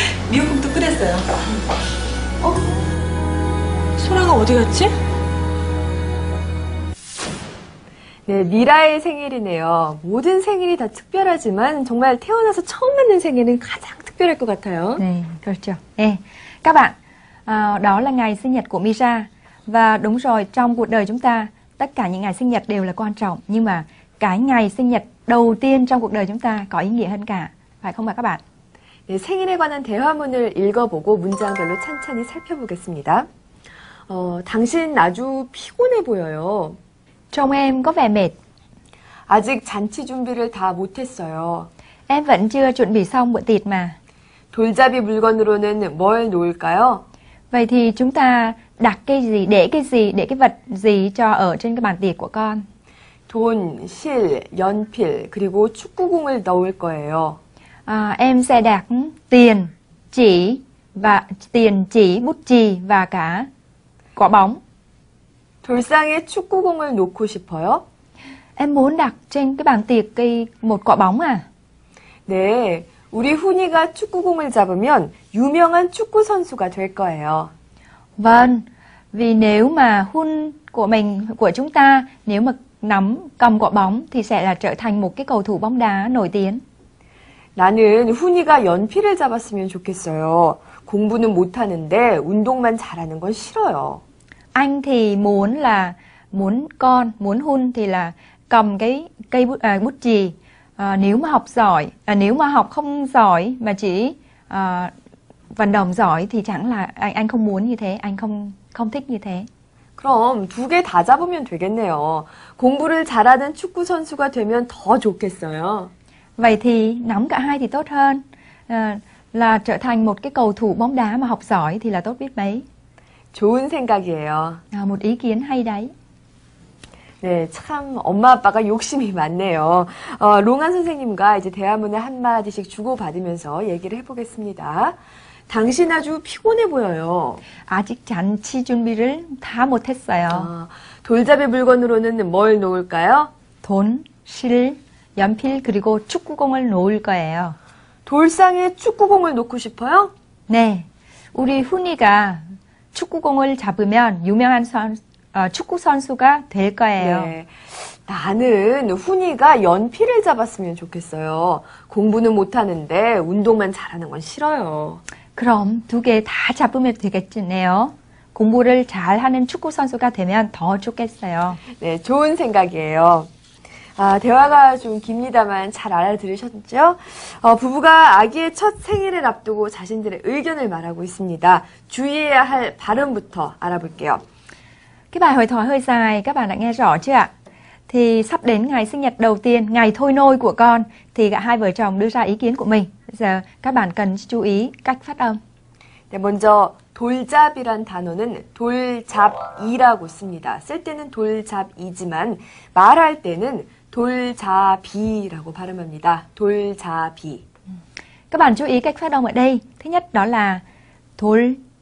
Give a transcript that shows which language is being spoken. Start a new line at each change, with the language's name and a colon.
Korean: 미역국도 끓였어요. 어? 소라가 어디 갔지? 네, 미라의 생일이네요. 모든 생일이 다 특별하지만 정말 태어나서 처음 맞는 생일은 가장 특별할 것 같아요. 네, 그렇죠.
Vietnamese: 네, các bạn, đó là ngày sinh nhật của Misa. Và đúng rồi, trong cuộc đời chúng ta, tất cả những ngày sinh nhật đều là quan trọng. Nhưng mà cái ngày sinh nhật đầu tiên trong cuộc đời chúng ta có ý nghĩa hơn cả. Phải không ạ các bạn?
Korean: 네, 생일에 관한 대화문을 읽어보고 문장별로 천천히 살펴보겠습니다. 당신 아주 피곤해 보여요.
Vietnamese: Trông em có vẻ mệt.
Korean: 아직 잔치 준비를 다 못했어요.
Vietnamese: Em vẫn chưa chuẩn bị xong bữa tiệc mà.
Korean: 돌잡이 물건으로는 뭘 놓을까요?
Vietnamese: Vậy thì chúng ta đặt cái gì, để cái gì, để cái vật gì cho ở trên cái bàn tiệc của con?
Korean: 돈, 실, 연필, 그리고 축구공을 넣을 거예요.
Vietnamese: Em sẽ đặt tiền, chỉ, và tiền, chỉ, bút chì và cả quả bóng.
Korean: 돌상에 축구공을 놓고 싶어요?
Vietnamese: Em muốn đặt trên cái bàn tiệc cái một quả bóng à?
Korean: 네, 우리 훈이가 축구공을 잡으면 유명한 축구 선수가 될 거예요.
Vietnamese: Vâng, vì nếu mà Hun của mình, của chúng ta, nếu mà nắm cầm quả bóng thì sẽ là trở thành một cái cầu thủ bóng đá nổi tiếng.
Korean: 나는 훈이가 연필을 잡았으면 좋겠어요. 공부는 못하는데 운동만 잘하는 건 싫어요.
Vietnamese: Anh thì muốn là muốn con muốn Hun thì là cầm cái cây bút bút chì. Nếu mà học giỏi, nếu mà học không giỏi mà chỉ vận động giỏi thì chẳng là anh không muốn như thế, anh không thích như thế.
Korean: 그럼 두 개 다 잡으면 되겠네요. 공부를 잘하는 축구 선수가 되면 더 좋겠어요.
Vietnamese: Vậy thì nắm cả hai thì tốt hơn. Là trở thành một cái cầu thủ bóng đá mà học giỏi thì là tốt biết mấy.
Korean: 좋은 생각이에요.
Vietnamese: 아, một ý kiến hay đấy.
Korean: 네, 참 엄마 아빠가 욕심이 많네요. 롱한 선생님과 이제 대화문을 한 마디씩 주고 받으면서 얘기를 해보겠습니다. 당신 아주 피곤해 보여요. 아직 잔치 준비를 다 못했어요. 돌잡이 물건으로는 뭘 놓을까요? 돈, 실, 연필 그리고 축구공을 놓을 거예요. 돌상에 축구공을 놓고 싶어요? 네, 우리 훈이가 축구공을 잡으면 유명한 축구 선수가 될 거예요. 네. 나는 훈이가 연필을 잡았으면 좋겠어요. 공부는 못하는데 운동만 잘하는 건 싫어요. 그럼 두 개 다 잡으면 되겠네요. 공부를 잘하는 축구 선수가 되면 더 좋겠어요. 네, 좋은 생각이에요. 대화가 좀 깁니다만 잘 알아들으셨죠? 부부가 아기의 첫 생일을 앞두고 자신들의 의견을 말하고 있습니다. 주의해야 할 발음부터 알아볼게요.
Vietnamese: Cái bài hội thoại hơi dài, các bạn đã nghe rõ chưa ạ? Thì sắp đến ngày sinh nhật đầu tiên, ngày thôi nôi của con, thì cả hai vợ chồng đưa ra ý kiến của mình. Giờ các bạn cần chú ý cách phát âm.
Korean: 네, 먼저 돌잡이란 단어는 돌잡이라고 씁니다. 쓸 때는 돌잡이지만 말할 때는 돌잡이라고 발음합니다. 돌잡이.
Vietnamese: Các bạn chú ý cách phát âm ở đây. Thứ nhất đó là 돌잡이.